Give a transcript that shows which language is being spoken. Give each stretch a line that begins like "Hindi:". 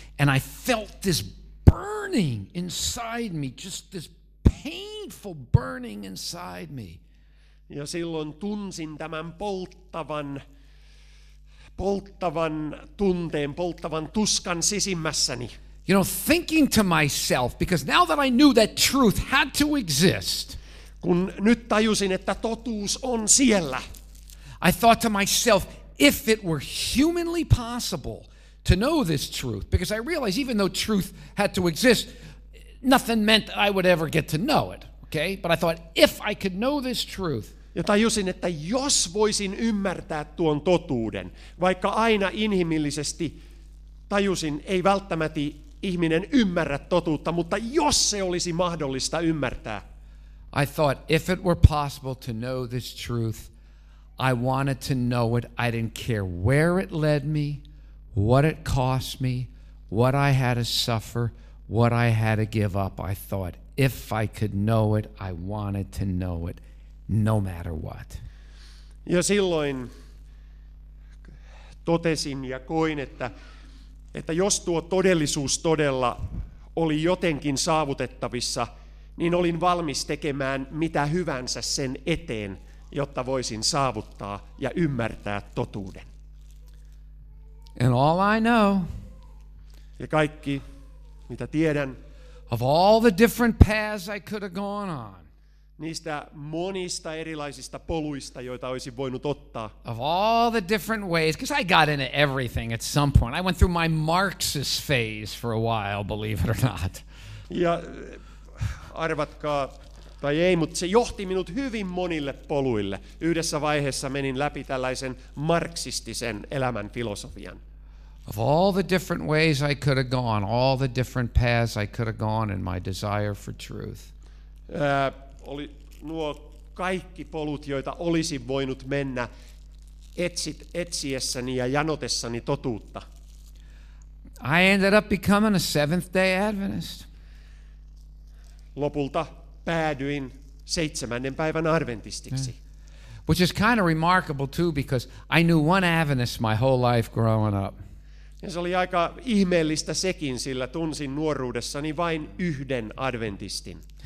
English: And I felt this burning inside me, just this painful burning inside me.
Finnish: Ja silloin tunsin tämän polttavan polttavan tunteen, polttavan tuskan sisimmässäni.
English: You know, thinking to myself, because now that I knew that truth had to exist,
Finnish: kun nyt tajusin, että totuus on siellä,
English: I thought to myself, if it were humanly possible to know this truth, because I realized even though truth had to exist, nothing meant I would ever get to know it, okay? But I thought, if I could know this truth,
Finnish: ja tajusin, että jos voisin ymmärtää tuon totuuden, vaikka aina inhimillisesti tajusin, ei välttämättä ihminen ymmärrä totuutta, mutta jos se olisi mahdollista ymmärtää.
English: I thought, if it were possible to know this truth, I wanted to know it. I didn't care where it led me, what it cost me, what I had to suffer, what I had to give up. I thought, if I could know it, I wanted to know it. No matter what.
Finnish: Ja silloin totesin ja koin, että jos tuo todellisuus todella oli jotenkin saavutettavissa, niin olin valmis tekemään mitä hyvänsä sen eteen, jotta voisin saavuttaa ja ymmärtää totuuden.
English: And all I know,
Finnish: ja kaikki mitä tiedän,
English: of all the different paths I could have gone on,
Finnish: niistä monista erilaisista poluista, joita olisin voinut ottaa.
English: Of all the different ways, because I got into everything at some point. I went through my Marxist phase for a while, believe it or not.
Finnish: Ja arvatkaa, tai ei, mutta se johti minut hyvin monille poluille. Yhdessä vaiheessa menin läpi tällaisen marxistisen elämän filosofian.
English: Of all the different ways I could have gone, all the different paths I could have gone in my desire for truth.
Finnish: Oli nuo kaikki polut, joita olisin voinut mennä etsiessäni ja janotessani totuutta.
English: I ended up becoming a Seventh-day Adventist.
Finnish: Lopulta päädyin seitsemännen päivän adventistiksi.
English: Which is kind of remarkable too, because I knew one Adventist my whole life growing up.
Finnish: Ja se oli aika ihmeellistä sekin, sillä tunsin nuoruudessani vain yhden adventistin.